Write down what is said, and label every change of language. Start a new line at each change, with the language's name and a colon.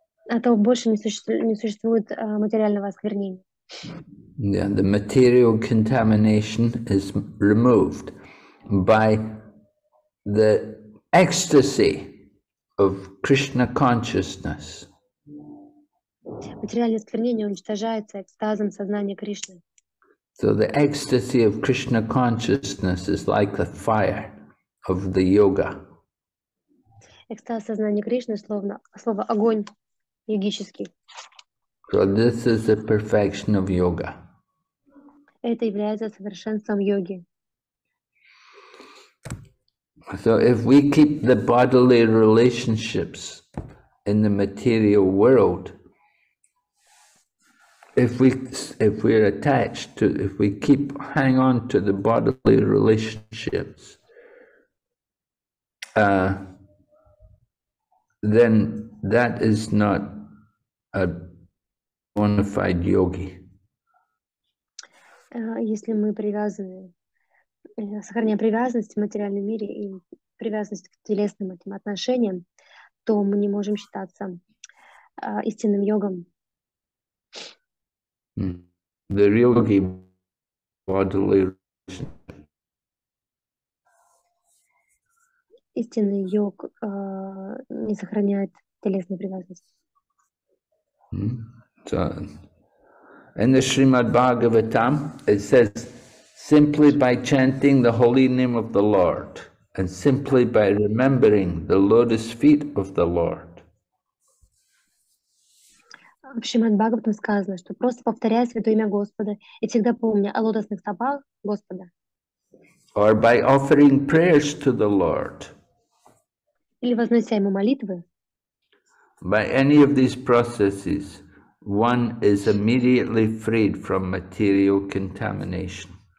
Russian: А то больше не существует материального осквернения.
English: Yeah, the material contamination is removed by the ecstasy of Krishna consciousness.
Russian: Материальное осквернение уничтожается экстазом сознания Кришны.
English: So the ecstasy of Krishna consciousness is like the fire of the yoga.
Russian: Экстаз сознания Кришны словно слово огонь йогический.
English: So this is the perfection of yoga.
Russian: Это является совершенством йоги.
English: So if we keep the bodily relationships in the material world, if we hang on to the bodily relationships, then that is not a bona fide yogi.
Russian: Если мы привязаны, сохраняя привязанность в материальном мире и привязанность к телесным этим отношениям, то мы не можем считаться истинным йогом.
English: The real yogi bodily relationship.
Russian: Истинный йог не сохраняет телесную привязанность.
English: So, in the Srimad Bhagavatam, it says, simply by chanting the holy name of the Lord, and simply by remembering the lotus feet of the Lord.
Russian: В Шримад Бхагаватам сказано, что просто повторяя святое имя Господа и всегда помня о лотосных стопах Господа.
English: Or by offering prayers to the Lord.
Russian: Или вознося ему молитвы.
English: By any of these processes, one is immediately freed from material contamination.